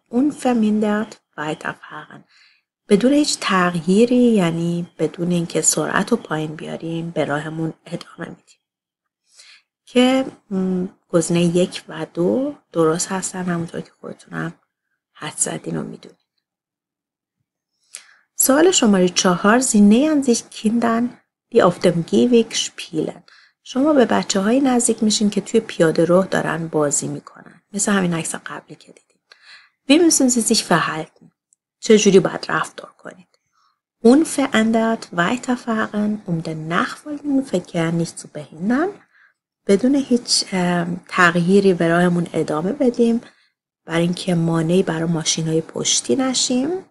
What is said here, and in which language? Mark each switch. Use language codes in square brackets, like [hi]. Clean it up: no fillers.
[de] Unvermindert weiterfahren، [fa] بدون هیچ تغییری، یعنی بدون اینکه سرعت رو پایین بیاریم به راهمون ادامه میدیم، که گزینه 1 و 2 درست هستن همونطور که خودتونم حد زدین و میدونید. سوال شماره 4: [de] Sie nähern sich Kindern, die auf dem Gehweg spielen. [fa] شما به بچه های نزدیک میشین که توی پیاده رو دارن بازی میکنن، مثل همین عکس قبلی که دیدیم. [de] Wie müssen Sie sich verhalten؟ [fa] چجوری باید رفتار کنید؟ [de] Unverändert weiterfahren, den nachfolgenden Verkehr nicht zu behindern، [fa] بدون هیچ تغییری به راهمون ادامه بدیم برای اینکه مانعی برای ماشین‌های پشتی نشیم.